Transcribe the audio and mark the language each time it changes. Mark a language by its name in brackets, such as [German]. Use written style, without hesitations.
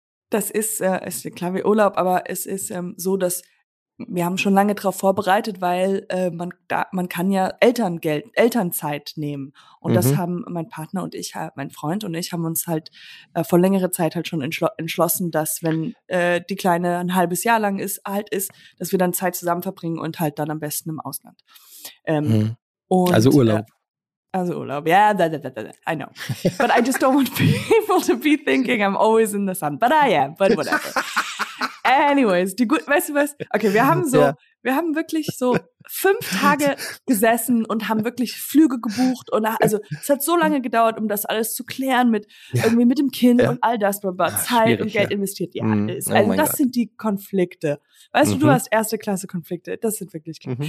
[German] Das ist klar wie Urlaub, aber es ist so, dass wir haben schon lange darauf vorbereitet, weil man kann ja Elternzeit nehmen. Und das haben mein Partner und ich, mein Freund und ich, haben uns halt vor längerer Zeit halt schon entschlossen, dass wenn die Kleine ein halbes Jahr lang ist, alt ist, dass wir dann Zeit zusammen verbringen und halt dann am besten im Ausland. Also Urlaub. [English] I know. But I just don't want people to be thinking I'm always in the sun. But I am, but whatever. Anyways, [German] weißt du was? Okay, wir haben wirklich so 5 Tage gesessen und haben wirklich Flüge gebucht und also es hat so lange gedauert, um das alles zu klären mit irgendwie mit dem Kind und all das, aber Zeit und Geld investiert. Ja, sind die Konflikte. Weißt du, du hast erste Klasse Konflikte. Das sind wirklich klar.